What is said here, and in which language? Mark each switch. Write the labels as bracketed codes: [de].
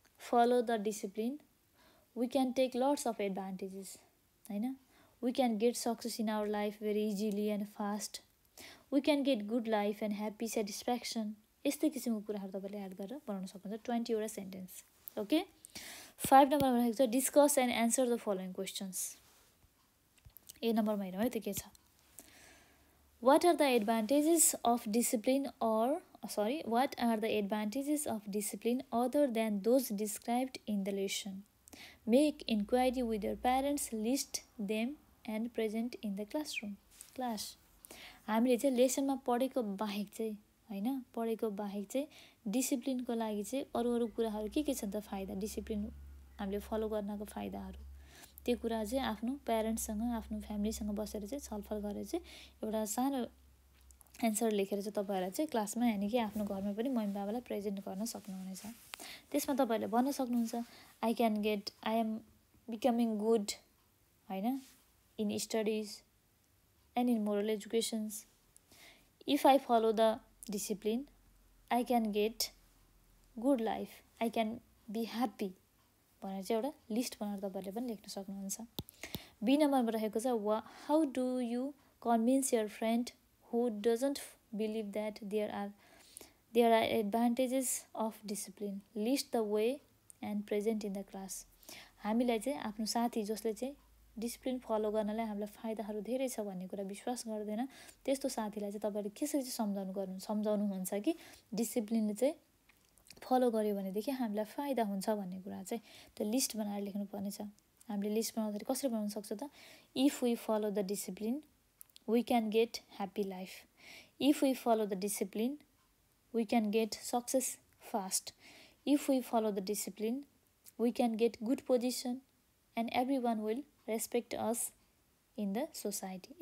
[en] follow the discipline we can take lots of advantages होइन we can get success in our life very easily and fast we can get good life and happy satisfaction [ne] यस्तै किसिमको कुराहरू तपाईँले add गरेर बनाउन सक्नुहुन्छ [en] 20 sentence okay [ne] 5 नम्बरमा रहेको छ [en] discuss and answer the following questions [ne] ए नम्बरमा हेरौँ है त के छ [en] What are the advantages of discipline or sorry, what are the advantages of discipline other than those described in the lesson? Make inquiry with your parents, list them and present in the classroom. Class. [ne] हामीले चाहिँ लेसनमा पढेको बाहेक चाहिँ हैन पढेको बाहेक चाहिँ डिसिप्लिनको लागि चाहिँ अरु कुराहरु के छन् त फाइदा डिसिप्लिन हामीले फलो गर्नको फाइदाहरु त्यो कुरा चाहिँ आफ्नो प्यारेन्ट्स सँग आफ्नो फ्यामिली सँग बसेर चाहिँ छलफल गरेर चाहिँ एउटा सानो आन्सर लेखेर चाहिँ तपाईहरुले चाहिँ क्लासमा यानि कि आफ्नो घरमा पनि मम्मी बाबालाई प्रेजेन्ट गर्न सक्नुहुनेछ त्यसमा तपाईहरुले भन्न सक्नुहुन्छ [en] I can get I am becoming good हैन in studies And in moral educations, if I follow the discipline, I can get good life. I can be happy. [ne] भनेछ एउटा लिस्ट बनाएर तपाईहरुले पनि लेख्न सक्नुहुन्छ. B नम्बरमा रहेको छ [en] how do you convince your friend who doesn't believe that there are advantages of discipline? List the way and present in the class. [ne] हामीलाई चाहिँ आफ्नो साथी जसले चाहिँ डिसिप्लिन फलो गर्नलाई हामीलाई फाइदाहरू धेरै छ भन्ने कुरा विश्वास गर्दैन त्यस्तो साथीलाई चाहिँ तपाईँले कसरी चाहिँ सम्झाउनुहुन्छ कि डिसिप्लिनले चाहिँ फलो गर्यो भनेदेखि हामीलाई फाइदा हुन्छ भन्ने कुरा चाहिँ त्यो लिस्ट बनाएर लेख्नुपर्नेछ हामीले लिस्ट बनाउँदाखेरि कसरी बनाउन सक्छ त [en] If we follow the discipline we can get happy life if we follow the discipline we can get success fast if we follow the discipline we can get good position and every one will Respect us in the society.